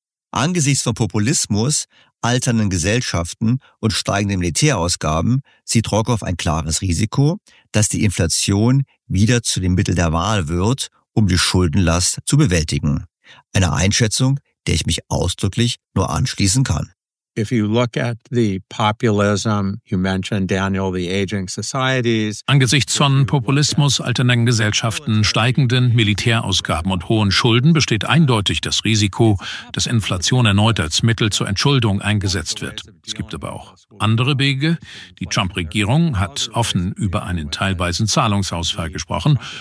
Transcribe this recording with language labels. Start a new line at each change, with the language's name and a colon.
German: Angesichts von Populismus, alternden Gesellschaften und steigenden Militärausgaben sieht Rogoff ein klares Risiko, dass die Inflation wieder zu dem Mittel der Wahl wird, um die Schuldenlast zu bewältigen. Eine Einschätzung, der ich mich ausdrücklich nur anschließen kann.
English: If you look at the populism, you mentioned, Daniel, the aging societies.
German: Angesichts von Populismus, alternden Gesellschaften, steigenden Militärausgaben und hohen Schulden besteht eindeutig das Risiko, dass Inflation erneut als Mittel zur Entschuldung eingesetzt wird. Es gibt aber auch andere Wege. Die Trump-Regierung hat offen über einen teilweisen Zahlungsausfall gesprochen.